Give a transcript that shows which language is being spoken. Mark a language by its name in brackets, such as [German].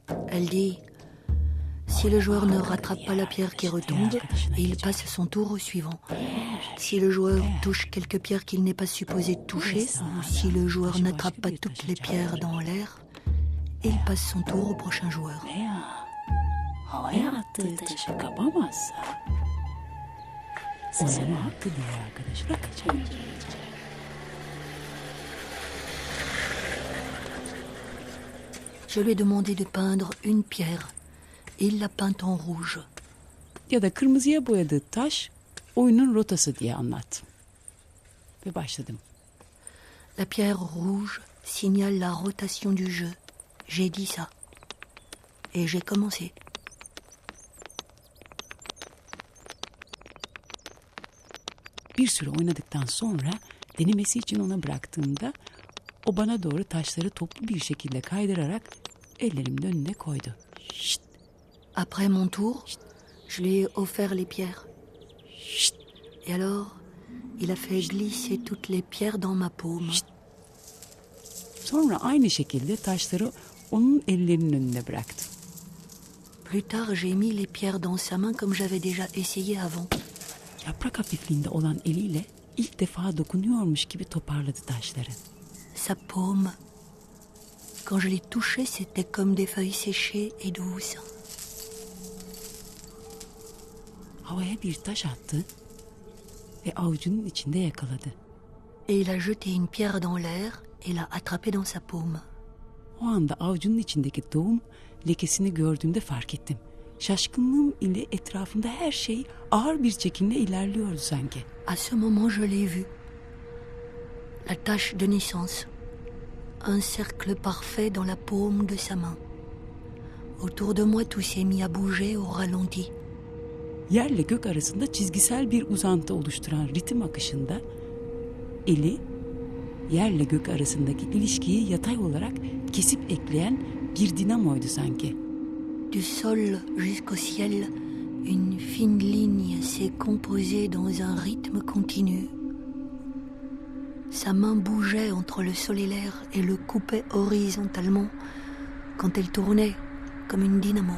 [French] Elle dit, si le joueur ne rattrape pas la pierre qui retombe, il passe son tour au suivant. Si le joueur touche quelques pierres qu'il n'est pas supposé toucher, ou si le joueur n'attrape pas toutes les pierres dans l'air, il passe son tour au prochain joueur. [Turkish] Veya havaya attığı taşı kapamazsa, onun hakkı diye arkadaşına kaçamayacak. [French] Je lui ai demandé de peindre une pierre. Il l'a peinte en rouge. [Turkish] Ya da kırmızıya boyadığı taş oyunun rotası diye anlat. Ve başladım. [French] La pierre rouge signale la rotation du jeu. J'ai dit ça. Et j'ai commencé. [Turkish] Bir süre oynadıktan sonra denemesi için ona bıraktığımda o bana doğru taşları toplu bir şekilde kaydırarak ellerimin önüne koydu. Şşt. [French] Après mon tour, şşt, je lui ai offert les pierres. Şşt. Et alors, il a fait glisser toutes les pierres dans ma paume. Şşt. [Turkish] Sonra aynı şekilde taşları onun ellerinin önüne bıraktım. [French] Plus tard, j'ai mis les pierres dans sa main comme j'avais déjà essayé avant. [Turkish] Yaprak hafifliğinde olan eliyle ilk defa dokunuyormuş gibi toparladı taşları. [French] Sa paume. Quand je l'ai touché, c'était comme des feuilles séchées et douces. [Turkish] Havaya bir taş attı ve avucunun içinde yakaladı. [French] Et il a jeté une pierre dans l'air et l'a attrapée dans sa paume. [Turkish] O anda avucunun içindeki doğum lekesini gördüğümde fark ettim. Şaşkınlığım ile etrafımda her şey ağır bir çekimle ilerliyordu sanki. [French] À ce moment je l'ai vu. La tache de naissance. Un cercle parfait dans la paume de sa main. Autour de moi tout s'est mis à bouger au ralenti. [Turkish] Yerle gök arasında çizgisel bir uzantı oluşturan ritim akışında eli yerle gök arasındaki ilişkiyi yatay olarak kesip ekleyen bir dinamoydu sanki. [French] Du sol jusqu'au ciel, Une fine ligne s'est composée dans un rythme continu. Sa main bougeait entre le sol et l'air et le coupait horizontalement quand elle tournait comme une dynamo.